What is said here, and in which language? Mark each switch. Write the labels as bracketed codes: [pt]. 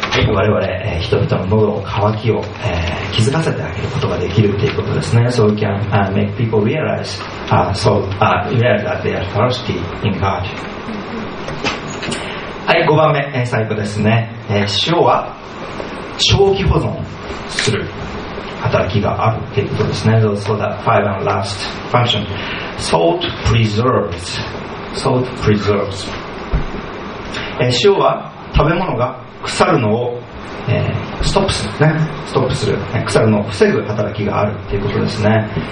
[ja] 我々、人々の喉の渇きを、気づかせてあげることができるということですね。 [en] So we can、make people realize、realize that they are thirsty in God。 [ja] はい、5番目、最後ですね、塩は長期保存する働きがあるということですね。 [en] So that five and last function、 Salt preserves、 [ja] Salt preserves、 塩は食べ物が腐るのを、ストップするね、ストップする、腐るのを防ぐ働きがあるということですね。